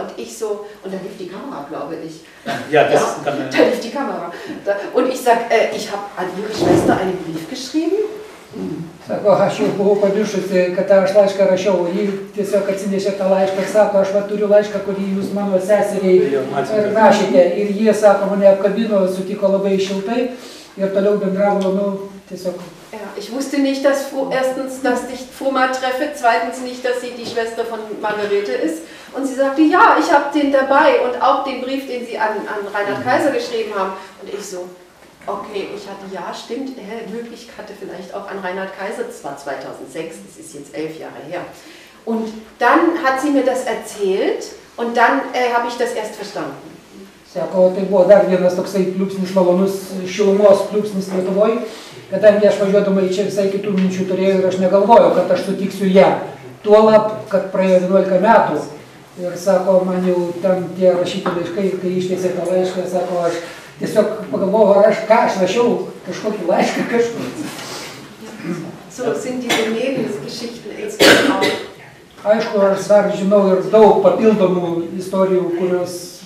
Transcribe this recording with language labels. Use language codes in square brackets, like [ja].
[de] Und ich so, und da lief die Kamera, glaube ich. Ja, das da lief die Kamera. Und ich sage, ich habe an Ihre Schwester einen Brief geschrieben. [lt] Sako, aš jau buvau pamiršusi, kad aš laišką rašiau, jį tiesiog atsinešė tą laišką, sako, aš va turiu laišką, kurį jūs mano seseriai rašėte. Ir jie, sako, mane apkabino, sutiko labai šiltai ir toliau bendravo, tiesiog... [de] Ich wusste nicht, dass erstens, dass ich Fruma treffe, zweitens nicht, dass sie die Schwester von Margarete ist. Und sie sagte, ja, ich habe den dabei und auch den Brief, den sie an Reinhard Kaiser geschrieben haben. Und ich so, okay, ich hatte, ja, stimmt, möglich, hatte vielleicht auch an Reinhard Kaiser, das war 2006, das ist jetzt 11 Jahre her. Und dann hat sie mir das erzählt und dann habe ich das erst verstanden. [lt] Sako, tai buvo dar vienas toksai pliūpsnis, malonus šilumos pliūpsnis Lietuvoj, kadangi aš važiuodama į čia visai kitų minčių turėjau ir aš negalvojau, kad aš sutiksiu ją. Tuo lab, kad praėjo 11 metų ir sako, man jau ten tie rašyti laiškai, kai išteisė tą laišką, sako, aš tiesiog pagalvojau, ar aš ką, aš rašiau kažkokį laišką kažkur. [de] So, sind diese Lebensgeschichten jetzt auch? [lt] Aišku, aš dar žinau ir daug papildomų istorijų, kurios